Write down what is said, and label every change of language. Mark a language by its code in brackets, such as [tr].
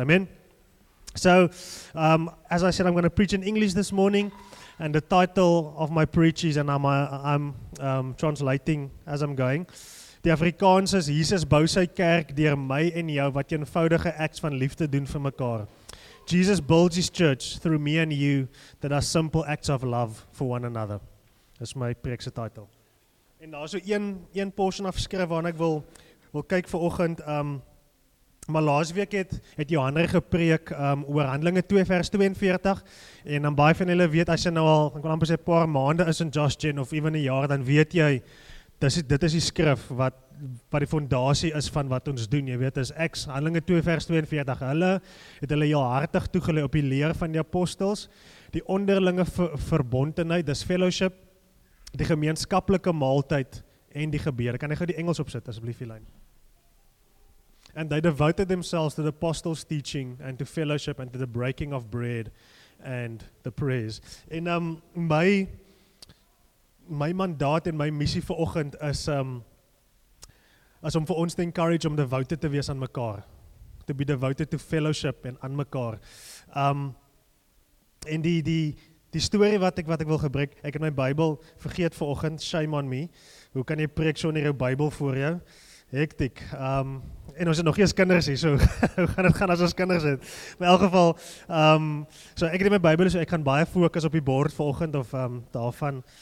[en] Amen? So as I said, I'm going to preach in English this morning and the title of my preach is, and I'm translating as I'm going, [af] Die Afrikaans is, Jesus bou sy kerk deur my en jou wat eenvoudige acts van liefde doen vir mekaar. [en] Jesus builds his church through me and you that are simple acts of love for one another. [af] Dis my preekse title. En daar is so een portion of skrif waarna ek wil kyk vanoggend. Maar laas week het Johannes gepreek oor Handelinge 2 vers 42 en dan baie van julle weet, as jy nou al, ek wil amper sê, paar maande is in Josh Gen of even 'n jaar, dan weet jy dit is die skrif wat die fondasie is van wat ons doen. Jy weet, is Acts, Handelinge 2 vers 42. Hulle het hulle heel hartig toegelê op die leer van die apostels, die onderlinge verbondenheid, dis fellowship, die gemeenskaplike maaltyd en die gebede. Kan ek gou die Engels opsit, asseblief, Elaine? [en] And they devoted themselves to the apostles' teaching and to fellowship and to the breaking of bread and the prayers. [af] En my mandaat en my missie vir oggend is om vir ons te encourage om devoted te wees aan mekaar. [en] To be devoted to fellowship [af] en aan mekaar. En die story wat ek wil gebruik, ek het my Bybel vergeet vir oggend, [en] shame on me. [af] Hoe kan jy preek so in jou Bybel voor jou? Hektiek. en ons het nog geen kinders hier, so hoe gaan het gaan as ons kinders het? Maar in elk geval, so ek het my Bybel, so ek gaan baie focus op die bord volgend of daarvan.